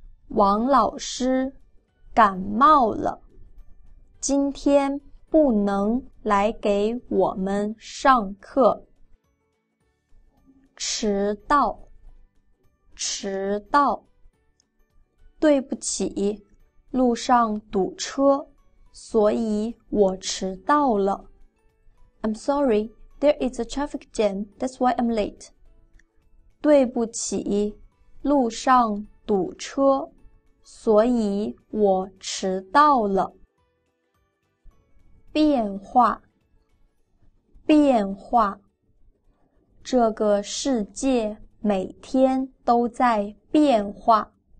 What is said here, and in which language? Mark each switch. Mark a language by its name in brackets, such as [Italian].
[Chinese] 王老师感冒了，今天不能来给我们上课。迟到，迟到。对不起，路上堵车，所以我迟到了。 [English] I'm sorry, there is a traffic jam, that's why I'm late. [Chinese] 对不起，路上堵车，所以我迟到了。变化，变化。这个世界每天都在变化。